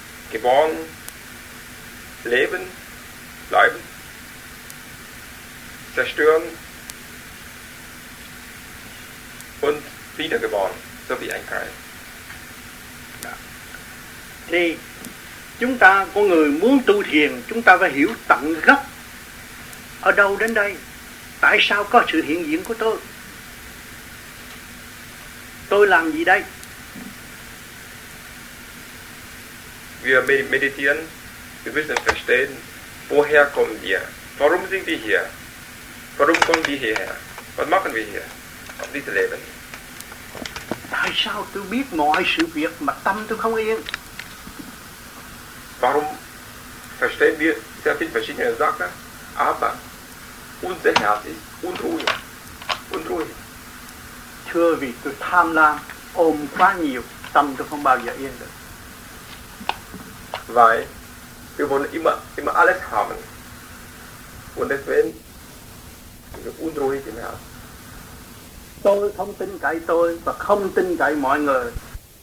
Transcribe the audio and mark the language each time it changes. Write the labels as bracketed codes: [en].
[de] Geboren, leben, bleiben, zerstören und wiedergeboren, so wie ein Keil. Ja. [vi] Thì chúng ta, con người muốn tu thiền, chúng ta phải hiểu tận gốc ở đâu đến đây, tại sao có sự hiện diện của tôi. Tôi làm gì đây? [de] Wir meditieren, wir müssen verstehen, woher kommen wir? Warum sind wir hier? Warum kommen wir hierher? Was machen wir hier? Auf diesem Leben? [vi] Tại sao tôi biết mọi sự việc mà tâm tôi không yên? [de] Warum verstehen wir sehr viele verschiedene Sachen, aber unser Herz ist unruhig. [vi] Thưa vì tôi tham lam, ôm quá nhiều, tâm tôi không bao giờ yên được. [de] Weil wir wollen immer alles haben. Und deswegen sind wir unruhig im Herzen. [vi] Tôi không tin cậy tôi và không tin cậy mọi người.